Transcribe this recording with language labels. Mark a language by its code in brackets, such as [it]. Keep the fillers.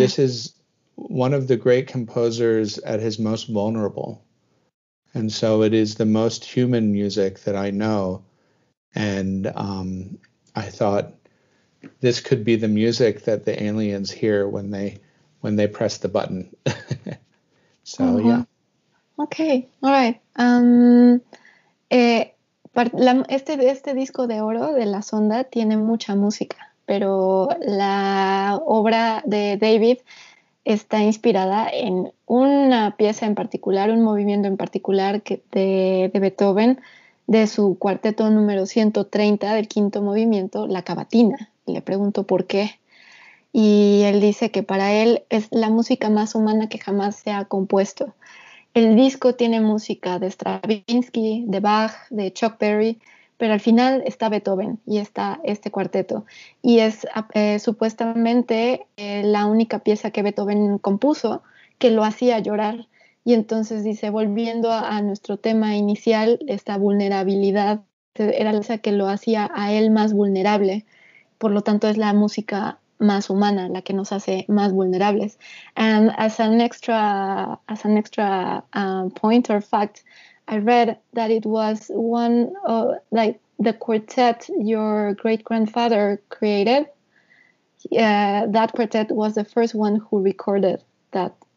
[en] This is one of the great composers at his most vulnerable. And so it is the most human music that I know. And um, I thought this could be the music that the aliens hear when they when they press the button. so uh -huh. yeah. Okay. All right. [es] Um, eh, part, la, este este disco de oro de la sonda tiene mucha música, pero la obra de David está inspirada en una pieza en particular, un movimiento en particular que de, de, Beethoven, de su cuarteto número 130, del quinto movimiento, La Cavatina. Le pregunto por qué. Y él dice que para él es la música más humana que jamás se ha compuesto. El disco tiene música de Stravinsky, de Bach, de Chuck Berry, pero al final está Beethoven y está este cuarteto. Y es eh, supuestamente eh, la única pieza que Beethoven compuso que lo hacía llorar. Y entonces dice, volviendo a nuestro tema inicial, esta vulnerabilidad era la que lo hacía a él más vulnerable. Por lo tanto, es la música más humana la que nos hace más vulnerables. [en] And as an extra, as an extra uh, point or fact, I read that it was one of uh, like the quartet your great grandfather created. Yeah, uh, that quartet was the first one who recorded that.